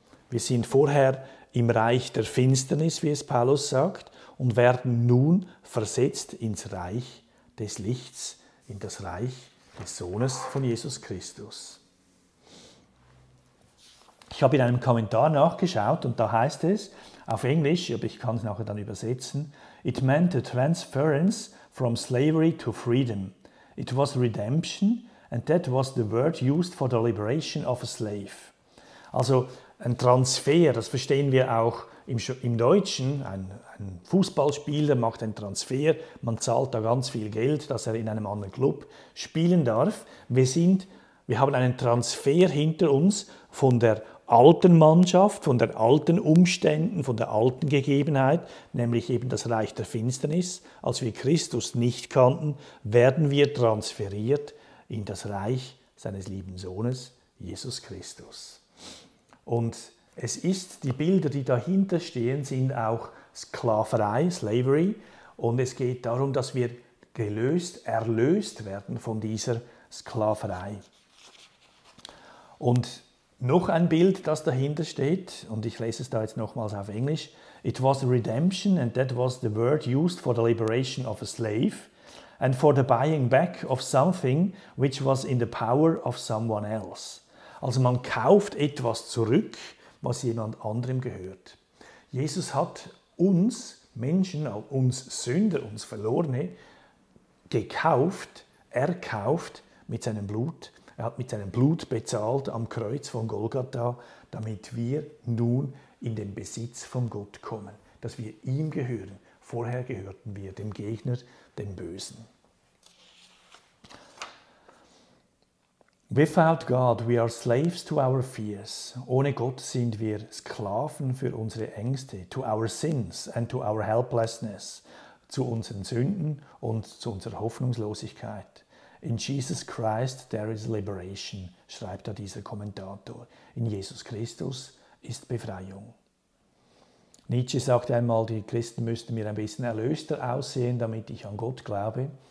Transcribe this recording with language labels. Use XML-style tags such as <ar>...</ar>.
<de>Wir sind vorher im Reich der Finsternis, wie es Paulus sagt, und werden nun versetzt ins Reich des Lichts, in das Reich des Sohnes von Jesus Christus. Ich habe in einem Kommentar nachgeschaut und da heißt es auf Englisch, aber ich kann es nachher dann übersetzen:</de> <en>It meant the transference from slavery to freedom. It was redemption and that was the word used for the liberation of a slave.</en> <de>Also ein Transfer, das verstehen wir auch im Deutschen, ein Fußballspieler macht einen Transfer, man zahlt da ganz viel Geld, dass er in einem anderen Club spielen darf. Wir haben einen Transfer hinter uns von der alten Mannschaft, von den alten Umständen, von der alten Gegebenheit, nämlich eben das Reich der Finsternis. Als wir Christus nicht kannten, werden wir transferiert in das Reich seines lieben Sohnes, Jesus Christus. Und es ist, die Bilder, die dahinter stehen, sind auch Sklaverei, Slavery. Und es geht darum, dass wir gelöst, erlöst werden von dieser Sklaverei. Und noch ein Bild, das dahinter steht, und ich lese es da jetzt nochmals auf Englisch.</de> <en>It was redemption and that was the word used for the liberation of a slave and for the buying back of something which was in the power of someone else.</en> <de>Also man kauft etwas zurück, was jemand anderem gehört. Jesus hat uns Menschen, uns Sünder, uns Verlorene, gekauft, erkauft mit seinem Blut. Er hat mit seinem Blut bezahlt am Kreuz von Golgatha, damit wir nun in den Besitz von Gott kommen, dass wir ihm gehören. Vorher gehörten wir dem Gegner, dem Bösen.</de> <en>Without God we are slaves to our fears.</en> <de>Ohne Gott sind wir Sklaven für unsere Ängste,</de> <en>to our sins and to our helplessness,</en> <de>zu unseren Sünden und zu unserer Hoffnungslosigkeit.</de> <en>In Jesus Christ there is liberation,</en> <de>schreibt da dieser Kommentator. In Jesus Christus ist Befreiung. Nietzsche sagte einmal, die Christen müssten mir ein bisschen erlöster aussehen, damit ich an Gott glaube.</de>